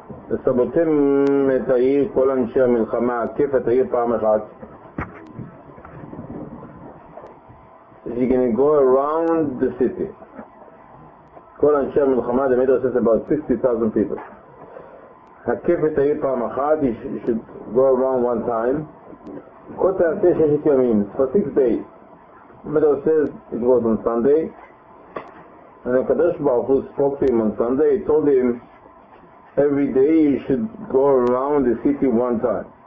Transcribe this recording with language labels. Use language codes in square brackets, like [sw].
[he] וסבותם את העיר, כל אנשי המלחמה, עקף את העיר פעם אחת. [en] You can go around the city. [he] כל אנשי המלחמה, [en] the middle says about 60,000 people. [he] עקף את העיר פעם אחת, [en] you should go around one time. [he] כל תעשה ששת ימים, [en] for six days. The middle says it was on Sunday. And the Kadosh Baruch Hu spoke to him on Sunday, he told him, every day you should go around the city one time.